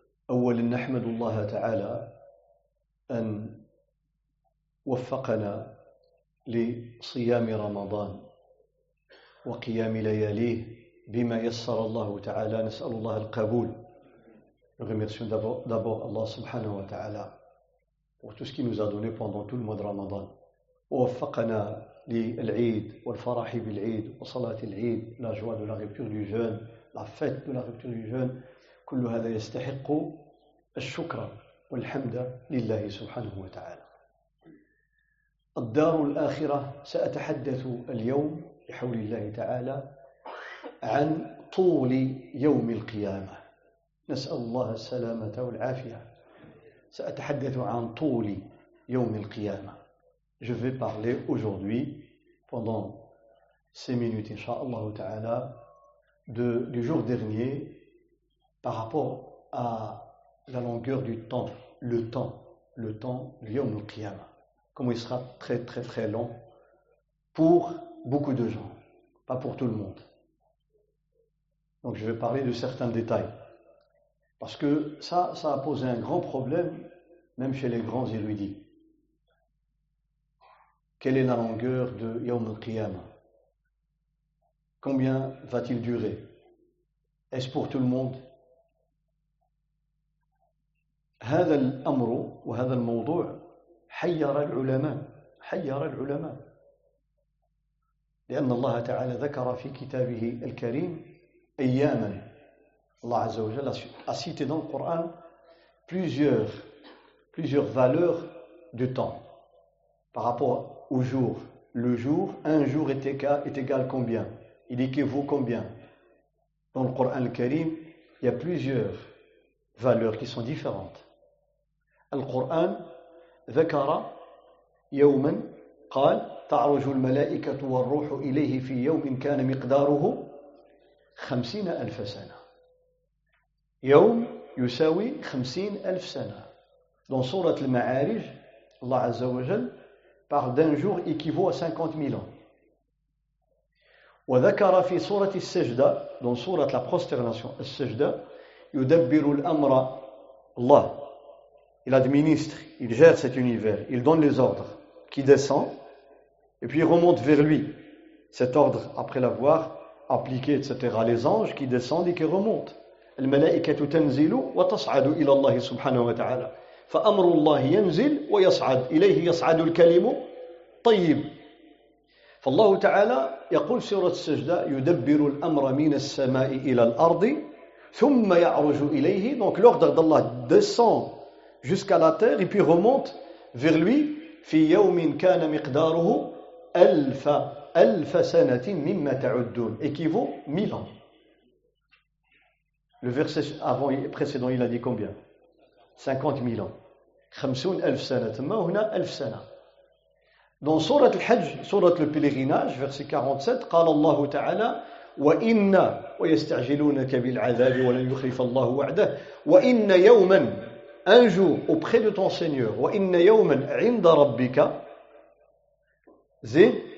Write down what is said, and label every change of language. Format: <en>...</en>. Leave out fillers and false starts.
<ar>أولا نحمد الله تعالى أن وفقنا لصيام رمضان وقيام لياليه بما يسر الله تعالى، نسأل الله القبول.</ar> <fr>Remercions d'abord Allah subhanahu wa ta'ala pour tout ce qu'il nous a donné pendant tout le mois de Ramadan.</fr> <ar>ووفقنا للعيد والفرح بالعيد وصلاة العيد،</ar> <fr>la joie de la rupture du jeûne,</fr> <ar>la fête de la rupture du jeûne, كل هذا يستحق الشكر والحمد لله سبحانه وتعالى. الدار الآخرة، سأتحدث اليوم بحول الله تعالى عن طول يوم القيامة، نسأل الله السلامة والعافية. سأتحدث عن طول يوم القيامة.</ar> <fr>Je vais parler aujourd'hui, pendant ces minutes, inshaAllah ta'ala, du jour dernier par rapport à la longueur du temps, le temps, le yawm al-qiyama. Comment il sera très très très long pour beaucoup de gens, pas pour tout le monde. Donc je vais parler de certains détails. Parce que ça a posé un grand problème, même chez les grands érudits. Quelle est la longueur de Yawm al-Qiyama? Combien va-t-il durer? Est-ce pour tout le monde?</fr> <ar>هذا الأمر وهذا الموضوع حير العلماء، حير العلماء، لأن الله تعالى ذكر في كتابه الكريم أياما. الله عز وجل</ar> <fr>a cité dans le Coran plusieurs valeurs du temps par rapport au jour. Le jour, un jour est égal combien? Il équivaut combien? Dans le Coran al-Karim, il y a plusieurs valeurs qui sont différentes.</fr> <ar>القرآن ذكر يوما قال تعرج الملائكة والروح إليه في يوم كان مقداره 50,000 سنة. يوم يساوي 50,000 سنة.</ar> <fr>Dans sourate al-Ma'arij, Allah Azza wa Jal parle d'un jour équivaut à 50,000 ans.</fr> <ar>وذكر في سورة السجدة،</ar> <fr>dans sourate la prosternation</fr> <ar>السجدة، يدبر الأمر الله.</ar> <fr>Il administre, il gère cet univers, il donne les ordres, qui descend, et puis il remonte vers lui, cet ordre après l'avoir appliqué, etc. Les anges qui descendent et qui remontent.</fr> <ar>الملائكة تنزل وتصعد إلى الله سبحانه وتعالى. فأمر الله ينزل ويصعد إليه يصعد الكلم طيب. فالله تعالى يقول سورة السجدة يدبر الأمر من السماء إلى الأرض ثم يعرج إليه.</ar> <fr>Donc l'ordre d'Allah descend jusqu'à la terre et puis remonte vers lui.</fr> <ar>في يوم كان مقداره ألف سنة مما تعدون</ar> <fr>équivaut 1,000 ans. Le verset avant précédent il a dit combien? 50,000 ans.</fr> <ar>50,000 سنة ثم هنا 1,000 سنة.</ar> <fr>Dans sourate al-Hajj, sourate le pèlerinage, verset 47,</fr> <ar>قال الله تعالى وإن ويستعجلونك بالعذاب ولن يخلف الله وعده وإن يوما.</ar> <fr>Un jour auprès de ton Seigneur,</fr> <ar>wa inna yawman 'inda rabbika zid</ar>